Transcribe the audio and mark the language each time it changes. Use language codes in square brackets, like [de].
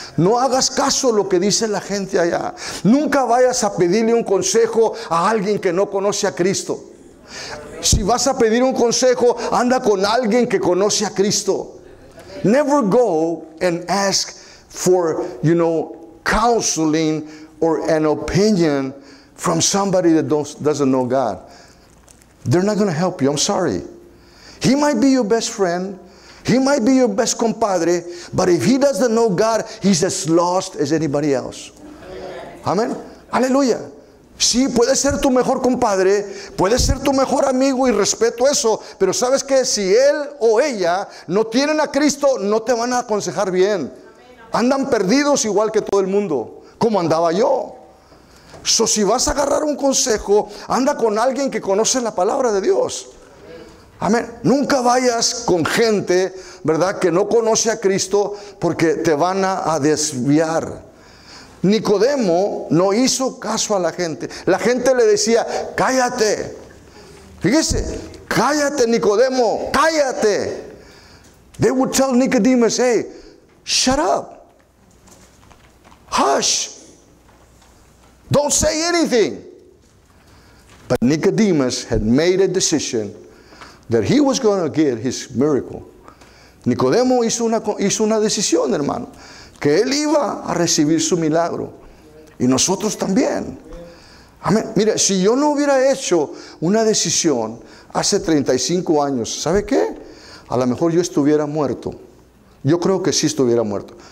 [es] No hagas caso a lo que dice la gente allá. Nunca vayas a pedirle un consejo a alguien que no conoce a Cristo. Si vas a pedir un consejo, anda con alguien que conoce a Cristo. [en] Never go and ask for, you know, counseling or an opinion from somebody that doesn't know God. They're not going to help you. I'm sorry. He might be your best friend. He might be your best compadre. But if he doesn't know God, he's as lost as anybody else. [es] Amen. Aleluya. Sí, puede ser tu mejor compadre. Puede ser tu mejor amigo y respeto eso. Pero sabes que si él o ella no tienen a Cristo, no te van a aconsejar bien. Andan perdidos igual que todo el mundo. Como andaba yo. So, si vas a agarrar un consejo, anda con alguien que conoce la palabra de Dios. Amén. Nunca vayas con gente, ¿verdad?, que no conoce a Cristo, porque te van a desviar. Nicodemo no hizo caso a la gente. La gente le decía, cállate. Fíjese, cállate, Nicodemo, cállate. [en] They would tell Nicodemus, hey, shut up. Hush. Don't say anything. But Nicodemus had made a decision that he was going to get his miracle. [es] Nicodemo hizo una decisión, hermano, que él iba a recibir su milagro. Y nosotros también. Amén. Mira, si yo no hubiera hecho una decisión hace 35 años, ¿sabe qué? A lo mejor yo estuviera muerto. Yo creo que sí estuviera muerto.